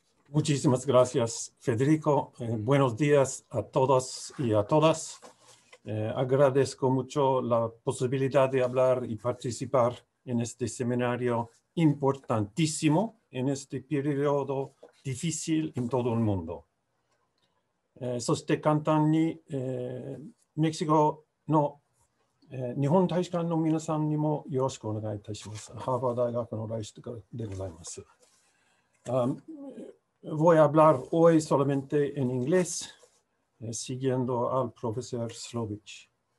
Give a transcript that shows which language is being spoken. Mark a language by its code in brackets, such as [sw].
[es] Muchísimas gracias, Federico. Buenos días a todos y a todas. Agradezco mucho la posibilidad de hablar y participar en este seminario importantísimo en este periodo difícil en todo el mundo. [ja] そして簡単に、メキシコの日本大使館の皆さんにもよろしくお願いいたします。ハーバー大学のライスでございます。 [es] Voy a hablar hoy solamente en inglés, siguiendo al profesor Slovich.